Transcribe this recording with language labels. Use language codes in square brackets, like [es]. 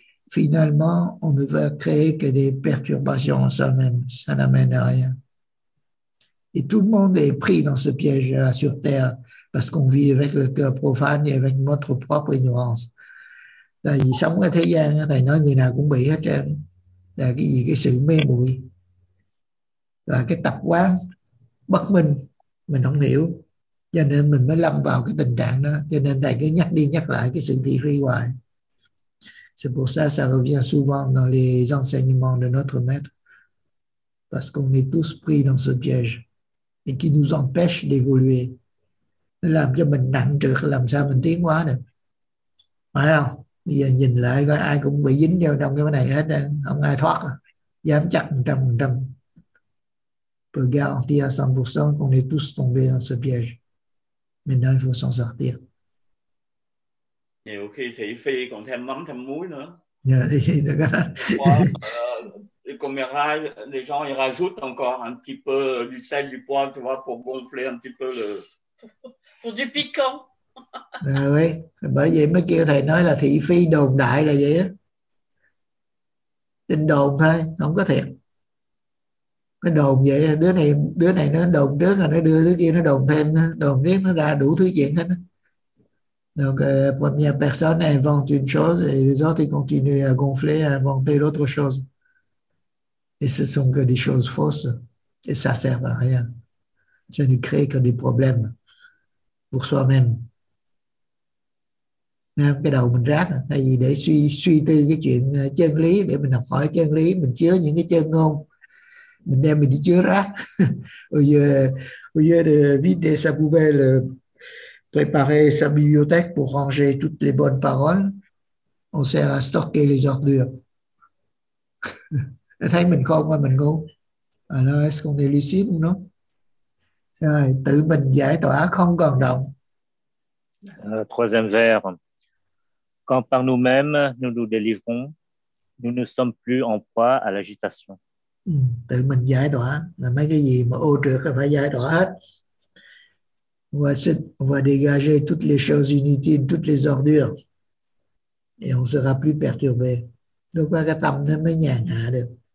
[fr] Finalement, on ne va créer que des perturbations en soi-même. Ça n'amène à rien. Et tout le monde est pris dans ce piège là sur Terre parce qu'on vit avec le cœur profane et avec notre propre ignorance. [vi] Tại vì sống ở thế gian, thầy nói người nào cũng bị hết trơn. Là cái gì? Cái sự mê muội. là cái tập quán bất minh, mình không hiểu, cho nên mình mới lâm vào cái tình trạng đó. Cho nên thầy cứ nhắc đi nhắc lại cái sự thị phi hoài. [fr] C'est pour ça, ça revient souvent dans les enseignements de notre maître, parce qu'on est tous pris dans ce piège et qui nous empêche d'évoluer. [vi] Nó làm cho mình nặng trược, làm sao mình tiến hóa được, phải không? Bây giờ nhìn lại coi ai cũng bị dính vào trong cái này hết, không ai thoát, dám chắc 100%. [fr] Peut garantir à 100% qu'on est tous tombés dans ce piège. Maintenant, il faut s'en sortir. [vi] Nhiều khi thị phi còn thêm mắm thêm muối nữa. Nhờ thị phi nữa các bạn. [fr] Quand mes rails, les gens ils rajoutent encore un petit peu du sel, du poivre, tu vois, pour gonfler un petit peu le... Pour du piquant. Oui, [vi] bởi vậy mới kêu thầy nói là thị phi đồn đại là vậy á. Tin đồn thôi, không có thiệt. Nó đồn vậy, đứa này nó đồn trước rồi nó đưa đứa kia nó đồn thêm, đồn riết nó ra đủ thứ chuyện hết. [fr] Donc la première personne invente une chose et les autres continuent à gonfler, à inventer l'autre chose. Et ce sont que des choses fausses et ça sert à rien. Ça ne crée que des problèmes pour soi-même. [vi] Nên cái đầu mình rác, tại vì để suy tư cái chuyện chân lý, để mình học hỏi chân lý, mình chứa những cái chân ngôn, mình đem mình đi chứa rác. [fr] Au lieu de vider sa poubelle, préparer sa bibliothèque pour ranger toutes les bonnes paroles, on sert à stocker les ordures. [vi] Thấy mình không hay mình ngu? [fr] Alors, est-ce qu'on est lucide ou non? [vi] Rồi, tự mình giải tỏa không còn động. [fr] Troisième vers. Quand par nous-mêmes nous nous délivrons, nous ne sommes plus en proie à l'agitation. [vi] Tự mình giải tỏa là mấy cái gì mà ô trược phải giải tỏa hết. [fr] On va dégager toutes les choses inutiles, toutes les ordures, et on sera plus perturbé. Donc là, [vi] cái tâm nó mới nhẹ nhàng được.